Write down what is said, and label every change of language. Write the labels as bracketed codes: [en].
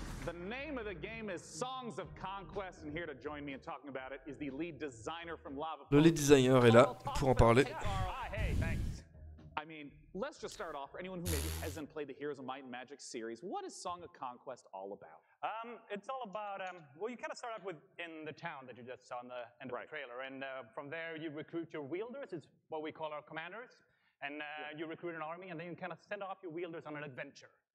[en] The game is Songs of Conquest, and here to join me in talking about it is the lead designer from Lava. [fr] Le lead designer est là pour en parler. [en] Hey, thanks. I mean, let's just start off. For anyone who maybe hasn't played the Heroes of Might and Magic series, what is Song of Conquest all about? It's all about well, you kind of start out with in the town that you just saw in the end of the trailer, and from there you recruit your wielders. It's what we call our commanders, and you recruit an army, and then you kind of send off your wielders on an adventure.